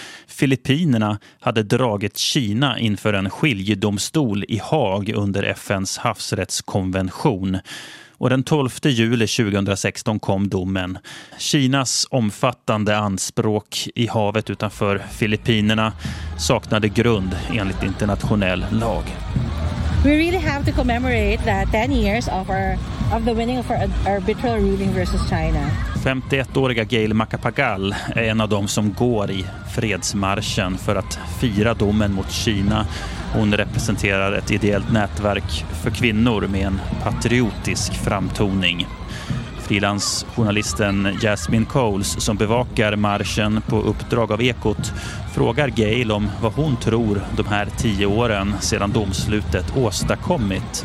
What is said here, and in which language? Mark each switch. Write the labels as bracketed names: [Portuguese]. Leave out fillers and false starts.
[Swedish] Filippinerna hade dragit Kina inför en skiljedomstol i Haag under FNs havsrättskonvention. Och den 12 juli 2016 kom domen. Kinas omfattande anspråk i havet utanför Filippinerna saknade grund enligt internationell lag. [English] We really have to commemorate that 10 years of the winning of our arbitral ruling versus China. [Swedish] 51-åriga Gail Macapagal är en av dem som går i fredsmarschen för att fira domen mot Kina. Hon representerar ett ideellt nätverk för kvinnor med en patriotisk framtoning. Frilansjournalisten Jasmine Coles, som bevakar marschen på uppdrag av Ekot, frågar Gail om vad hon tror de här 10 åren sedan domslutet åstadkommit.